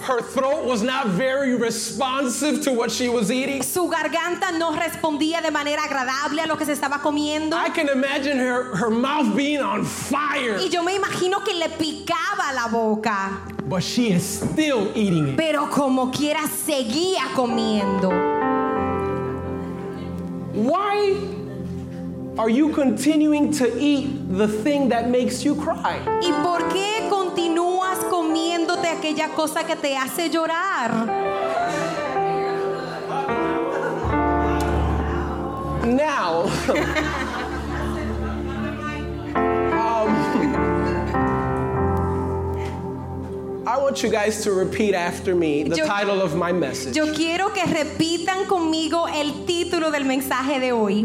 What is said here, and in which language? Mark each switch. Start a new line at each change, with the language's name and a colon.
English: Her throat was not very responsive to what she was eating.
Spanish: Su garganta no respondía de manera agradable a lo que se estaba comiendo.
English: I can imagine her mouth being on fire.
Spanish: Y yo me imagino que le picaba la boca.
English: But she is still eating it.
Spanish: Pero como quiera seguía comiendo.
English: Why are you continuing to eat the thing that makes you cry?
Spanish: ¿Y por qué continúas comiéndote aquella cosa que te hace llorar?
English: Now, I want you guys to repeat after me the title of my message.
Spanish: Yo quiero que repitan conmigo el título del mensaje de hoy.